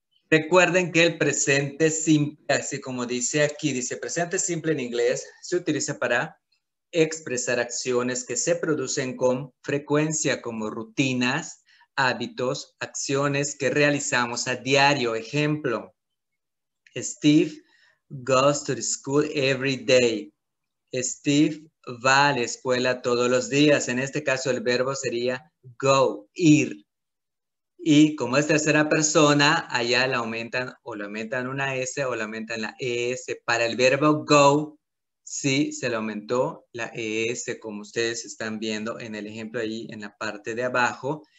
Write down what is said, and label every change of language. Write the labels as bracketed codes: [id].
[es] Recuerden que el presente simple, así como dice aquí, dice presente simple en inglés, se utiliza para expresar acciones que se producen con frecuencia, como rutinas, hábitos, acciones que realizamos a diario. [en] Ejemplo, Steve goes to the school every day. [es] Steve va a la escuela todos los días. En este caso, el verbo sería go, ir. Y como es tercera persona, allá la aumentan o le aumentan una S o le aumentan la ES. Para el verbo go, sí, se le aumentó la ES, como ustedes están viendo en el ejemplo ahí en la parte de abajo.